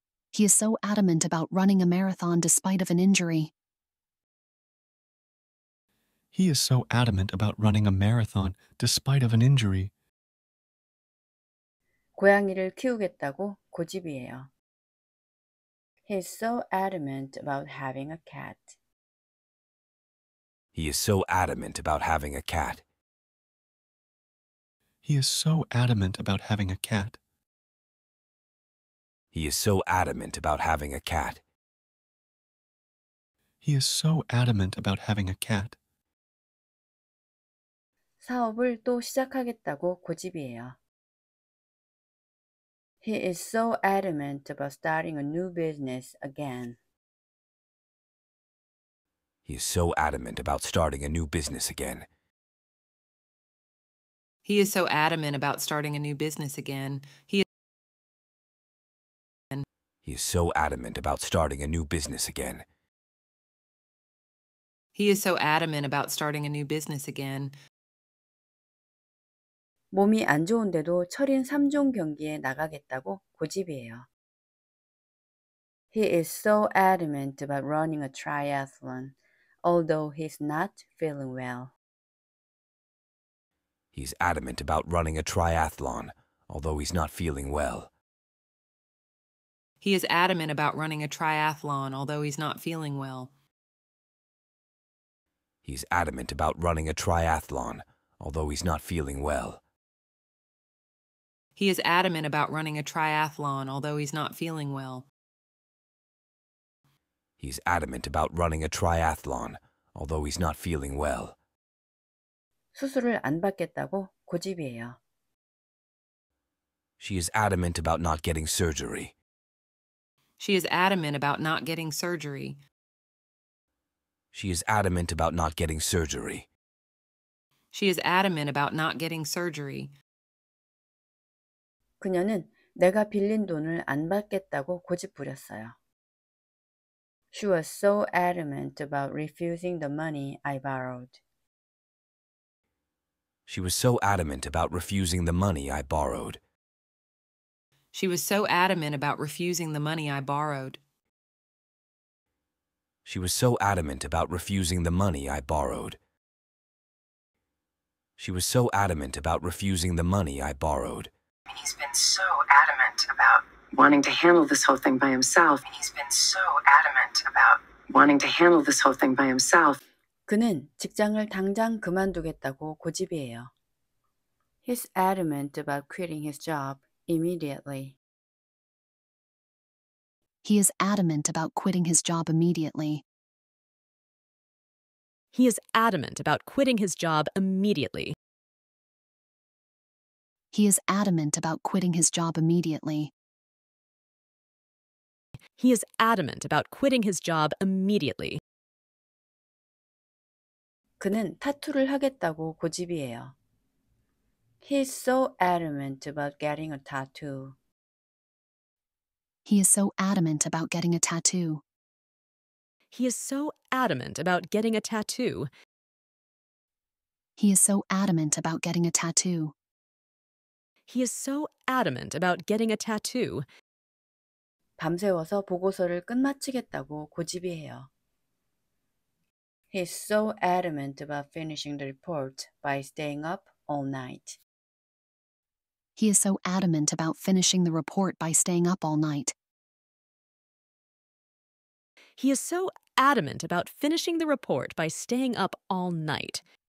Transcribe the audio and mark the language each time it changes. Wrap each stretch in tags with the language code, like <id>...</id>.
<en>He is so adamant about running a marathon despite of an injury. He is so adamant about running a marathon despite of an injury.</en> <ko>고양이를 키우겠다고 고집이에요.</ko> <en>He is so adamant about having a cat. He is so adamant about having a cat. He is so adamant about having a cat. He is so adamant about having a cat. He is so adamant about having a cat.</en> <ko>사업을 또 시작하겠다고 고집이에요.</ko> <en>He is so adamant about starting a new business again. He is so adamant about starting a new business again. He is so adamant about starting a new business again. He is so adamant about starting a new business again. He is so adamant about starting a new business again.</en> <ko>몸이 안 좋은데도 철인 3종 경기에 나가겠다고 고집이에요.</ko> <en>He is so adamant about running a triathlon, although he's not feeling well. He's adamant about running a triathlon, although he's not feeling well. He is adamant about running a triathlon, although he's not feeling well. He's adamant about running a triathlon, although he's not feeling well. He is adamant about running a triathlon, although he's not feeling well. He's adamant about running a triathlon, although he's not feeling well.</en> <ko>수술을 안 받겠다고 고집이에요.</ko> <en>She is adamant about not getting surgery. She is adamant about not getting surgery. She is adamant about not getting surgery. She is adamant about not getting surgery.</en> <ko>그녀는 내가 빌린 돈을 안 받겠다고 고집부렸어요.</ko> <en>She was so adamant about refusing the money I borrowed. She was so adamant about refusing the money I borrowed. She was so adamant about refusing the money I borrowed. She was so adamant about refusing the money I borrowed. She was so adamant about refusing the money I borrowed. He's been so adamant about wanting to handle this whole thing by himself. He's been so adamant about wanting to handle this whole thing by himself.</en> <ko>그는 직장을 당장 그만두겠다고 고집이에요.</ko> <en>He's adamant about quitting his job immediately. He is adamant about quitting his job immediately. He is adamant about quitting his job immediately. He is adamant about quitting his job immediately. He is adamant about quitting his job immediately.</en> <ko>그는 타투를 하겠다고 고집이에요.</ko> <en>He is so adamant about getting a tattoo. He is so adamant about getting a tattoo. He is so adamant about getting a tattoo. He is so adamant about getting a tattoo. He is so adamant about getting a tattoo.</en> <ko>밤새워서 보고서를 끝마치겠다고 고집이에요.</ko> <en>He is so adamant about finishing the report by staying up all night. He is so adamant about finishing the report by staying up all night. He is so adamant about finishing the report by staying up all night.</en>